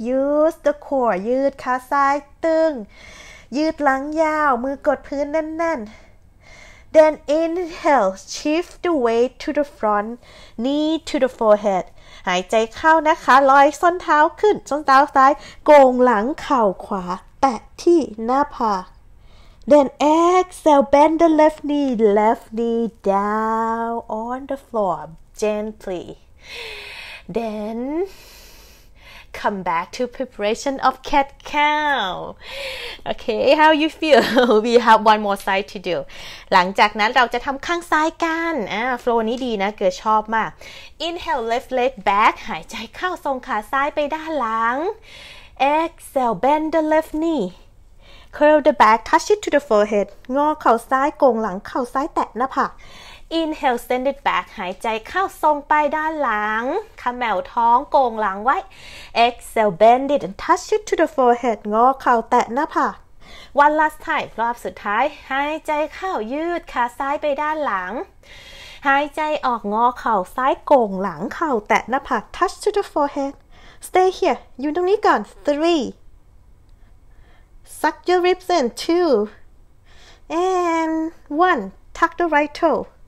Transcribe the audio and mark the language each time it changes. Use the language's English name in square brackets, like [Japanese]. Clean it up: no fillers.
[English] Use the core, [Thai] ยืดขาซ้ายตึงยืดหลังยาวมือกดพื้นแน่นๆ [English] Then inhale, shift the weight to the front, knee to the forehead. [Thai] หายใจเข้านะคะลอยส้นเท้าขึ้นส้นเท้าซ้ายโก่งหลังเข่าขวาแตะที่หน้าผาก [English] Then exhale, bend the left knee down on the floor, gently. Then come back to preparation of cat cow. Okay, how you feel? We have one more side to do. [Thai] หลังจากนั้นเราจะทำข้างซ้ายกันโฟลว์นี้ดีนะเกือชอบมาก [English] Inhale, left leg back. [Thai] หายใจเข้าทรงขาซ้ายไปด้านหลัง [English] Exhale, bend the left knee. Curl the back, touch it to the forehead. [Thai] งอเข่าซ้ายโก่งหลังเข่าซ้ายแตะหน้าผาก [English] Inhale, send it back. [Thai] หายใจเข้าทรงไปด้านหลังขมแมวท้องโก่งหลังไว้ [English] Exhale, bend it and touch it to the forehead. [Thai] งอเข่าแตะหน้าผาก [English] One last time. [Thai] รอบสุดท้ายหายใจเข้ายืดขาซ้ายไปด้านหลังหายใจออกงอเข่าซ้ายโก่งหลังเข่าแตะหน้าผาก [English] Touch to the forehead. Stay here. [Thai] อยู่ตรงนี้ก่อน [English] 3. Suck your ribs in 2. And 1. Tuck the right toe.